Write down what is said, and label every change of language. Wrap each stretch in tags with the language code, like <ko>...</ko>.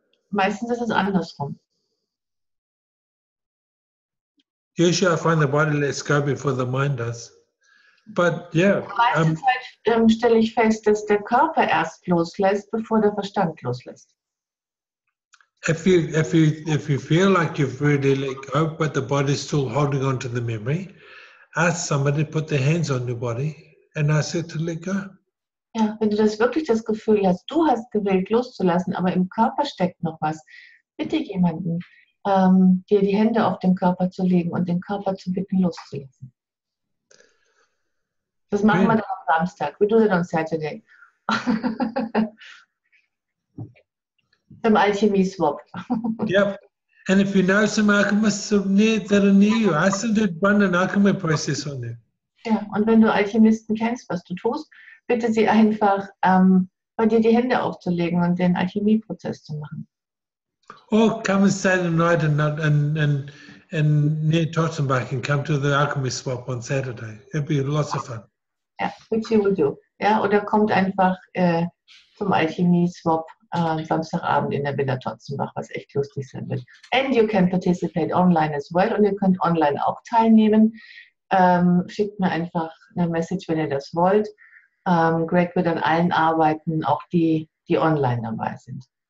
<de>Meistens ist es andersrum.</de> <en>Usually I find the body lets go before the mind does. But yeah.</en> <de>Meistens stelle ich fest, dass der Körper erst loslässt, bevor der Verstand loslässt.</de> <en>If you feel like you've really let go, but the body's still holding on to the memory, ask somebody to put their hands on your body and ask it to let go.</en> <de>Ja, wenn du das wirklich das Gefühl hast, du hast gewählt loszulassen, aber im Körper steckt noch was, bitte jemanden, dir die Hände auf den Körper zu legen und den Körper zu bitten loszulassen. Das machen wir dann am Samstag.</de> <en>We do it on Saturday.</en> <de>Im Alchemie-Swap. Yep.</de> <en>And if you know some alchemists that are near you, ask them to run an alchemy process on them.</en> <de>Ja, und wenn du Alchemisten kennst, was du tust, bitte sie einfach, bei dir die Hände aufzulegen und den Alchemie-Prozess zu machen.</de> <en>Oh, come and stay the night and near Totenbach and come to the alchemy swap on Saturday. It'd be lots of fun. Ja, which you will do.</en> <de>Ja, oder kommt einfach zum Alchemie-Swap Samstagabend in der Villa Totzenbach, was echt lustig sein wird.</de> <en>And you can participate online as well.</en> <de>Und ihr könnt online auch teilnehmen. Schickt mir einfach eine Message, wenn ihr das wollt. Greg wird an allen arbeiten, auch die online dabei sind.</de>